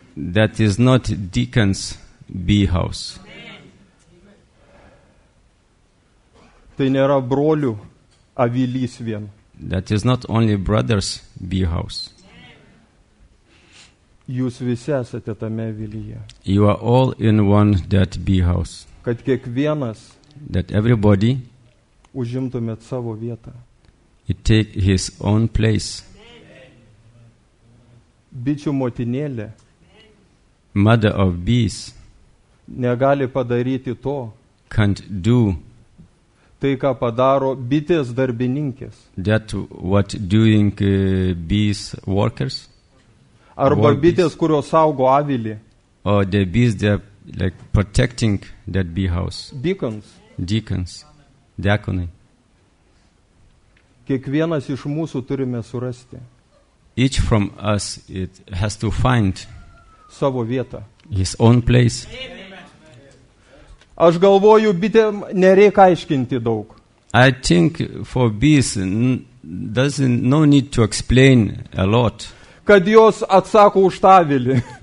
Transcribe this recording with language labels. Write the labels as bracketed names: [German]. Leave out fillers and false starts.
[English] That is not deacon's bee house. [Lithuanian] Tai nėra brolių avilys vien. [English] That is not only brothers' bee house. [Lithuanian] Jūs visi esate tame avilyje. [English] You are all in one that bee house. [Lithuanian] Kad kiekvienas [English] that everybody [Lithuanian] užimtumėt savo vietą. [English] It take his own place. [Lithuanian] Bičių motinėlė [English] mother of bees [Lithuanian] negali padaryti to [English] can't do [Lithuanian] tai ką padaro bitės darbininkės. [English] That what doing bees workers. [Lithuanian] Arba bitės, kurios saugo avilį. [English] Or the bees they are like protecting that bee house. Deacons. Deacons. Diakonai. [Lithuanian] Kiekvienas iš mūsų turime surasti. [English] Each from us it has to find [Lithuanian] savo vietą. [English] His own place. [Lithuanian] Aš galvoju, bitėm nereikia aiškinti daug. [English] I think for bees no need to explain a lot. [Lithuanian] Kad jos atsako už tavilį.